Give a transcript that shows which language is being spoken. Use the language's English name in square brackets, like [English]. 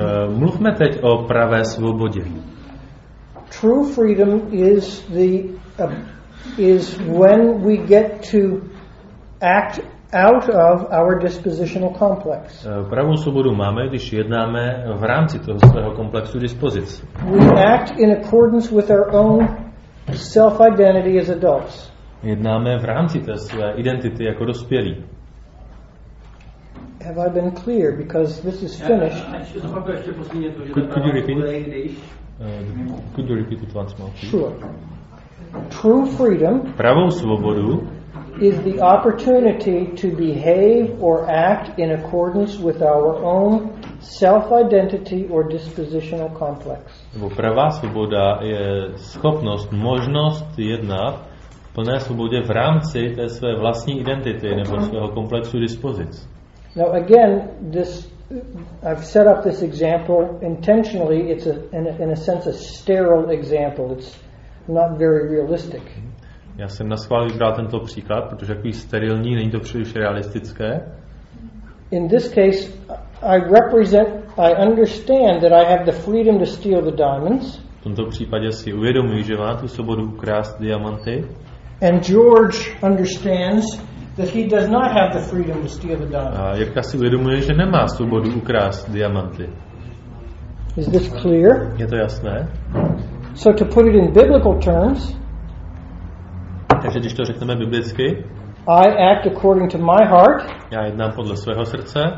[Czech] Mluvme teď o pravé svobodě. [English] True freedom is the is when we get to act out of our dispositional complex. [Czech] Pravou svobodu máme, když jednáme v rámci toho svého komplexu dispozic. [English] We act in accordance with our own self-identity as adults. [Czech] Jednáme v rámci té své identity jako dospělí. [English] Have I been clear? Because this is finished. Could you repeat it? Could you repeat it once more? Sure. True freedom. [Czech] Pravou svobodu. [English] Is the opportunity to behave or act in accordance with our own self-identity or dispositional complex. [Czech] Pravá svoboda je schopnost, možnost jednat v plné svobodě v rámci té své vlastní identity nebo svého komplexu dispozic. [English] Now again, this I've set up this example intentionally. It's a, in a sense a sterile example. It's not very realistic. [Czech] Já jsem na schvál vybral tento příklad, protože jako sterilní, není to příliš realistické. [English] In this case, I represent, I understand that I have the freedom to steal the diamonds. [Czech] V tomto případě si uvědomuji, že mám tu svobodu ukrást diamanty. [English] And George understands that he does not have the freedom to steal the diamonds. [Czech] A Jirka si uvědomuje, že nemá svobodu ukrást diamanty. [English] Is this clear? [Czech] Je to jasné? [English] So to put it in biblical terms, [Czech] takže když to řekneme biblicky, [English] I act according to my heart. [Czech] Já jednám podle svého srdce.